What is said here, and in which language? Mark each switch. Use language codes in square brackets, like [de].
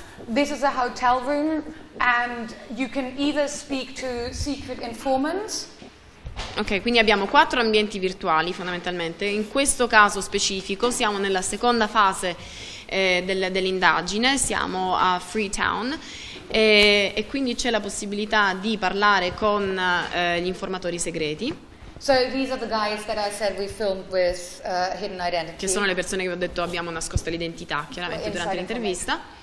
[en] This is a hotel room, and you can either speak to secret informants. [it] Ok, quindi abbiamo quattro ambienti virtuali fondamentalmente. In questo caso specifico siamo nella seconda fase dell'indagine, siamo a Freetown. E quindi c'è la possibilità di parlare con gli informatori segreti. [en] So these are the guys that I said we filmed with hidden identity. [it] Che sono le persone che ho detto abbiamo nascosto l'identità, chiaramente, durante l'intervista.